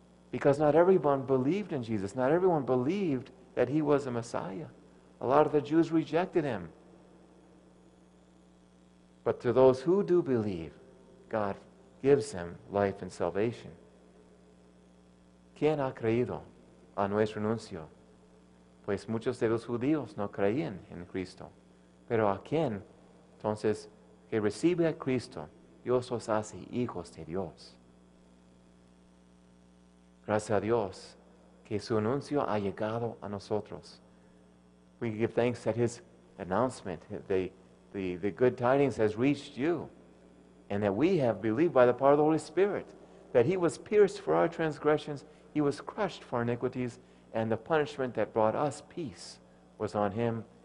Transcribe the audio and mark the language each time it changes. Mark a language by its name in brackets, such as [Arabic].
[English] Because not everyone believed in Jesus. Not everyone believed that he was a Messiah. A lot of the Jews rejected him. But to those who do believe, God gives them life and salvation. [Spanish] ¿Quién ha creído a nuestro anuncio? Pues muchos de los judíos no creían en Cristo. Pero a quien, entonces, que recibe a Cristo, Dios os hace hijos de Dios. Gracias a Dios que su anuncio ha llegado a nosotros. [English] We give thanks that his announcement, the good tidings has reached you, and that we have believed by the power of the Holy Spirit, that he was pierced for our transgressions, he was crushed for our iniquities, and the punishment that brought us peace was on him.